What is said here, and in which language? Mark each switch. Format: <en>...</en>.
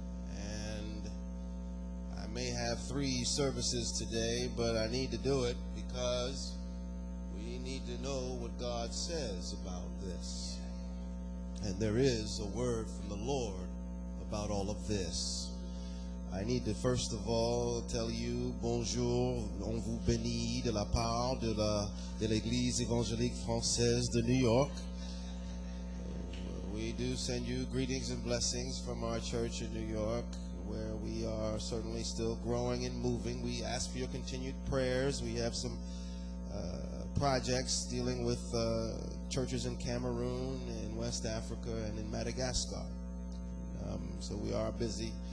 <en>And I may have three services today, but I need to do it because we need to know what God says about this. And there is a word from the Lord about all of this. I need to first of all tell you</en> <fr>bonjour, on vous bénit de la part de l'Église évangélique française de New York.</fr> <en>We do send you greetings and blessings from our church in New York, where we are certainly still growing and moving. We ask for your continued prayers. We have some projects dealing with churches in Cameroon, in West Africa, and in Madagascar. So we are busy.</en>